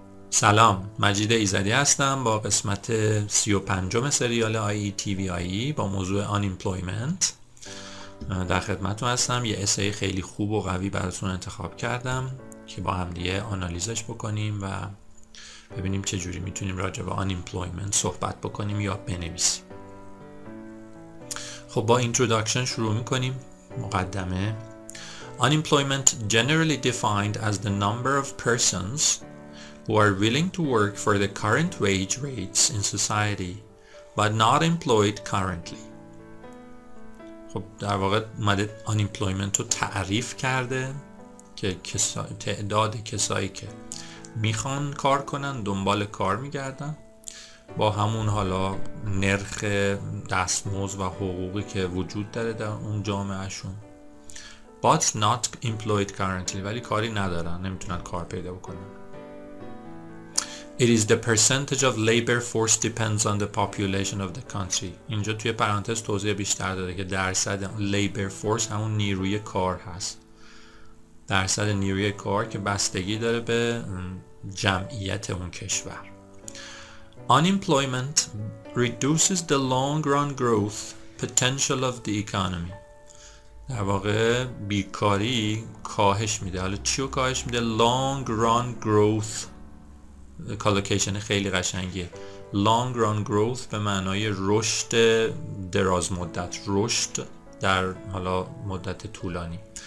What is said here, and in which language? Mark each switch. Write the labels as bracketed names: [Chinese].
[Persian] سلام، مجید ایزدی هستم با قسمت 35 سریال IETVIE با موضوع unemployment در خدمتتون هستم. یه اسای خیلی خوب و قوی براتون انتخاب کردم که با هم دیگه آنالیزش بکنیم و ببینیم چه جوری میتونیم راجع به unemployment صحبت بکنیم یا بنویسیم. خب با introduction شروع میکنیم. مقدمه. [English] Unemployment generally defined as the number of persons who are willing to work for the current wage rates in society but not employed currently. [Persian] خب در واقع اومده unemployment رو تعریف کرده که تعداد کسایی که میخوان کار کنن، دنبال کار میگردن با همون حالا نرخ دستمزد و حقوقی که وجود داره در اون جامعهشون، [English] but not employed currently، [Persian] ولی کاری ندارن، نمیتونن کار پیدا بکنن. [English] It is the percentage of labor force depends on the population of the country. [Persian] اینجا توی پرانتز توضیح بیشتر داده که درصد labor force همون نیروی کار هست. درصد نیروی کار که بستگی داره به جمعیت اون کشور. [English] Unemployment reduces the long-run growth potential of the economy. [Persian] در واقع بیکاری کاهش میده. حالا چیو کاهش میده؟ Long-run growth. کالوکیشن خیلی قشنگیه. Long run growth به معنای رشد دراز مدت، رشد در حالا مدت طولانی.